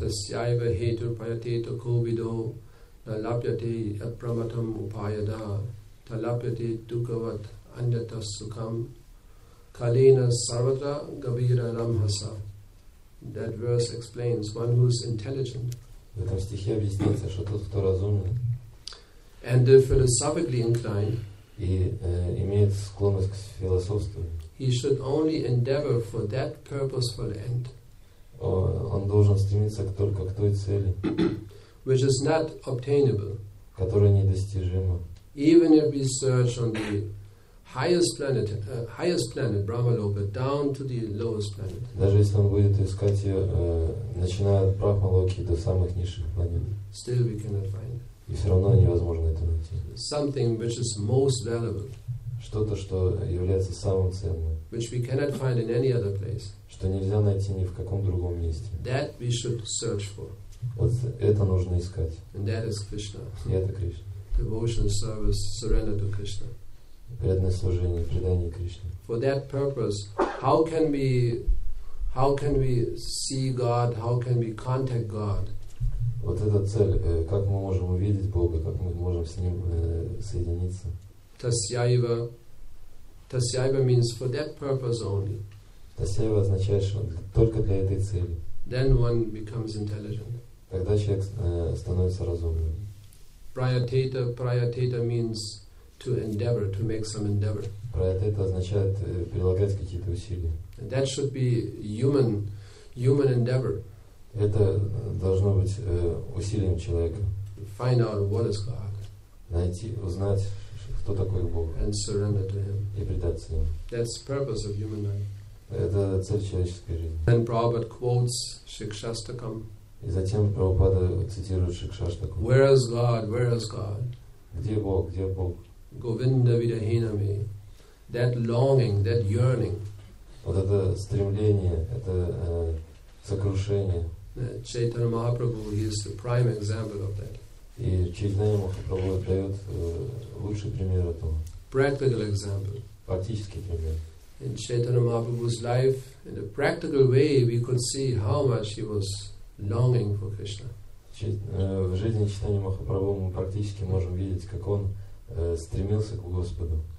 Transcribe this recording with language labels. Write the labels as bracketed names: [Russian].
[Sanskrit] Тасьяйва хетур паятету ковидо лапьяте апраматам упаяда талапьяте дукават аньята сукам калина сарватра габира рамхаса. [English] That verse explains one who is intelligent. [Russian] В этом стихе объясняется, что тот, кто разумен. [English] And philosophically inclined. [Russian] И имеет склонность к философству. [English] He should only endeavor for that purposeful end. [Russian] Он должен стремиться только к той цели, [English] which is not obtainable. [Russian] Которая недостижима. [English] Even if we search on the highest planet, Brahmaloka, down to the lowest planet. [Russian] Даже если он будет искать ее, начиная от Брахмалоки до самых низших планет. [English] Still we cannot find. [Russian] И все равно невозможно это найти. [English] Something which is most valuable. [Russian] Что-то, что является самым ценным. [English] Which we cannot find in any other place. [Russian] Что нельзя найти ни в каком другом месте. [English] That we should search for. [Russian] Вот это нужно искать. [English] And that is Krishna. [Russian] И это Кришна. [English] Devotional service, surrender to Krishna. [Russian] Преданное служение, предание Кришне. [English] For that purpose, how can we see God? How can we contact God? [Russian] Вот эта цель, как мы можем увидеть Бога, как мы можем с Ним соединиться. [English] Tasyaiva means for that purpose only. [Russian] Tasyaiva означает, что только для этой цели. [English] Then one becomes intelligent. [Russian] Тогда человек становится разумным. [English] Prayateta means to endeavor, to make some endeavor. [Russian] Prayateta означает прилагать какие-то усилия. [English] And that should be human endeavor. [Russian] Это должно быть усилием человека. [English] Find out what is God. [Russian] Найти, узнать, кто такой Бог. [English] And surrender to Him. [Russian] И предаться Ему. [English] That's the purpose of human life. [Russian] Это цель человеческой жизни. [English] Then Prabhupada quotes Shikshastakam. [Russian] И затем Прабхупада цитирует Шикшаштаку. [English] Where is God? Where is God? [Russian] Где Бог? Где Бог? [Sanskrit] Govinda vidahinami. [English] That longing, that yearning. [Russian] Вот это стремление, это сокрушение. [English] Chaitanya Mahaprabhu, he is the prime example of that. [Russian] И Чайтанья Махапрабху дает лучший пример этого. [English] Practical example. [Russian] Практический пример. [English] In Chaitanya Mahaprabhu's life, in a practical way, we could see how much he was longing for Krishna. [Russian] В жизни Чайтанья Махапрабху мы практически можем видеть, как он стремился к Господу.